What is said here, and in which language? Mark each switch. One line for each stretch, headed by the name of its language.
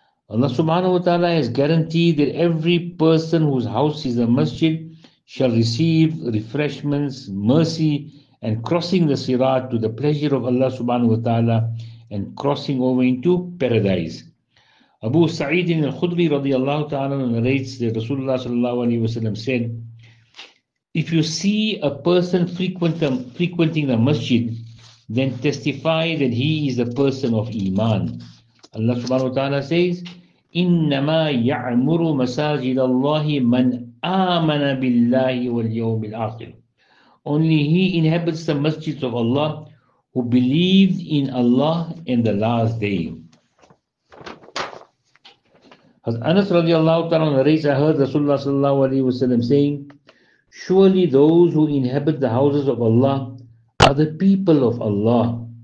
English: Allah subhanahu wa ta'ala has guaranteed that every person whose house is a masjid shall receive refreshments, mercy, and crossing the sirat to the pleasure of Allah subhanahu wa ta'ala and crossing over into paradise. Abu Sa'id al-Khudri radiallahu ta'ala narrates that Rasulullah sallallahu alayhi wa sallam said, if you see a person frequenting the masjid, then testify that he is a person of iman. Allah subhanahu wa ta'ala says,
Arabic: إِنَّمَا يَعْمُرُ مَسَاجِدَ اللَّهِ مَنْ آمَنَ بِاللَّهِ وَالْيَوْمِ الْآخِرِ.
English: Only he inhabits the masjids of Allah who believed in Allah in the last day. As Anas radiallahu ta'ala narrates, I heard Rasulullah sallallahu alayhi wa sallam saying, surely those who inhabit the houses of Allah are the people of Allah.